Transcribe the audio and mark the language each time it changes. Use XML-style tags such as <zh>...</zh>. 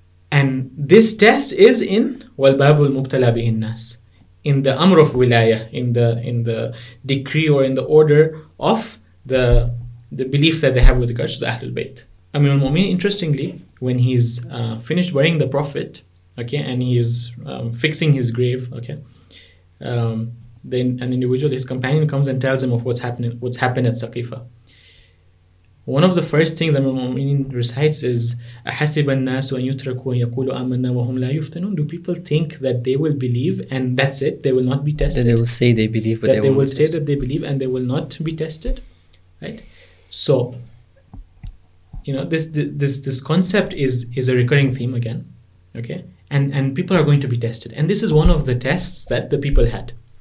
<en>And this test is in</en> <ar>وَالْبَابُ الْمُبْتَلَى بِهِ النَّاسِ,</ar> <en>in the Amr of Wilaya, in the decree or in the order of the belief that they have with regards to the Ahlul Bayt. Amir al-Mu'min, interestingly, when he's finished burying the Prophet, okay, and he's fixing his grave, okay, then an individual, his companion, comes and tells him of what's happened at Saqifa. One of the first things Amir al-Mu'minin recites is</en> <ar>أَحَسِبَ النَّاسُ أَن يُتْرَكُوا أَن يَقُولُوا أَمَنَّا وَهُمْ لَا يُفْتَنُونَ.</ar> <en>Do people think that they will believe and that's it? They will not be tested? That they will say they believe, but that they will say that they believe and they will not be tested? Right? So, this concept is a recurring theme again. Okay? And people are going to be tested. And this is one of the tests that the people had.</en>